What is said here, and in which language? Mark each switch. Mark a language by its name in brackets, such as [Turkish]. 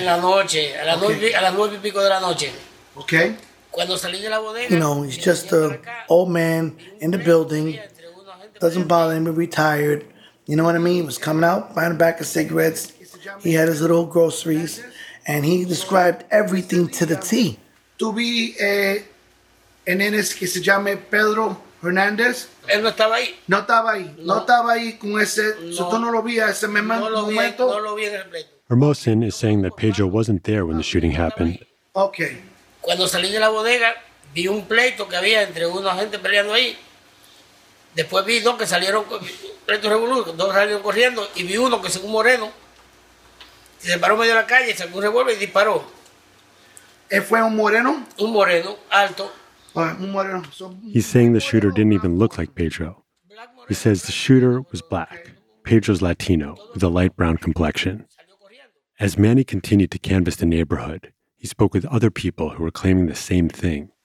[Spanish] En la noche, a las nueve y pico de la noche. [English] Okay. [Spanish] Cuando salí de la bodega, [English] you know, he's just an old man in the building. Doesn't bother him, he retired. You know what I mean? He was coming out, buying a pack of cigarettes. He had his little groceries. And he described everything to the T. [Spanish] Tuve un nene que se llama Pedro Hernández. Él no estaba ahí. No estaba ahí. No estaba ahí con ese. Si tú no lo vi, ese momento. No lo vi en el pleito. [English] Hermosin is saying that Pedro wasn't there when the shooting happened. Okay. [Spanish] Cuando salí de la bodega, vi un pleito que había entre unos gente peleando ahí. Después vi dos que salieron, pleito revolucionario, dos salieron corriendo y vi uno que es un moreno. Se paró medio de la calle, sacó un revólver y disparó. ¿Fue un moreno? Un moreno, alto. Un moreno. [English] He's saying the shooter didn't even look like Pedro. He says the shooter was black. Pedro's Latino, with a light brown complexion. As Manny continued to canvass the neighborhood, he spoke with other people who were claiming the same thing.